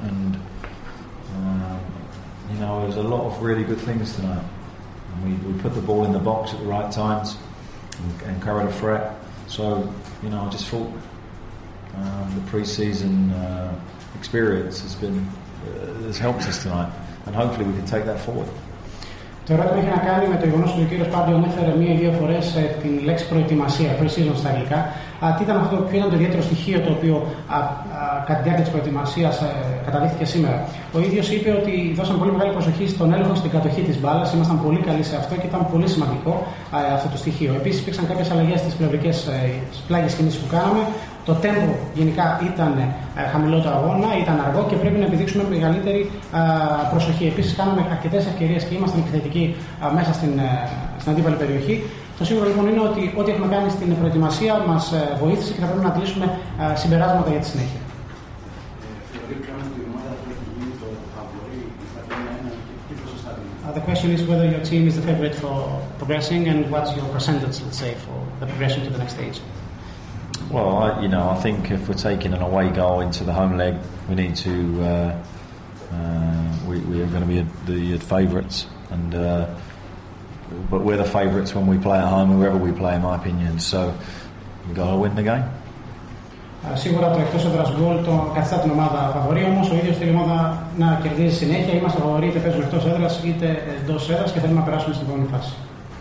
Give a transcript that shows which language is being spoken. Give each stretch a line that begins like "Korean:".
English: And, you know, there's a lot of really good things tonight. And we put the ball in the box at the right times and carried a threat. So, you know, I just thought... the pre-season experience has been has helped us tonight, and hopefully we can take that forward.
Greek: Το ερώτημα είχε να κάνει με το γεγονός ότι ο κύριος Πάρντι ανέφερε μία ή δύο φορές την λέξη προετοιμασία, pre-season στα αγγλικά. Τι ήταν αυτό, ποιο ήταν το ιδιαίτερο στοιχείο το οποίο κατά τη διάρκεια της προετοιμασίας καταδείχθηκε σήμερα? Ο ίδιος είπε ότι δώσαμε πολύ μεγάλη προσοχή στον έλεγχο, στην κατοχή της μπάλας. Ήμασταν πολύ καλοί σε αυτό και ήταν πολύ σημαντικό αυτό το στοιχείο. Επίσης, υπήρξαν κάποιες αλλαγές στις πλευρικές πλάγιες κινήσεις που κάναμε. Το τέμπο γενικά ήταν χαμηλότερο αγώνα, ήταν αργό και πρέπει να επιδείξουμε μεγαλύτερη προσοχή. Επίσης, κάναμε αρκετές ευκαιρίες και ήμασταν επιθετικοί μέσα στην αντίπαλη περιοχή. Το σίγουρο λοιπόν είναι ότι ό,τι έχουμε κάνει στην προετοιμασία μας βοήθησε και θα πρέπει να αντλήσουμε συμπεράσματα για τη συνέχεια.
English: The question is whether your team is the favorite for progressing and what's your percentage, let's say, for the progression to the next stage? Well, you know, I think if we're taking an away goal into the home leg, we need to. We are going to be the favourites, and but we're the favourites when we play at home, wherever we play, in my opinion. So we've got to win the game.
Greek: Σίγουρα το εκτός έδρας γκολ το καθιστά την ομάδα φαβορή, όμως ο ίδιος θέλει η ομάδα να κερδίζει συνέχεια. Είμαστε φαβοροί, είτε παίζουμε εκτός έδρας είτε εντός έδρας και θέλουμε να περάσουμε στην επόμενη φάση.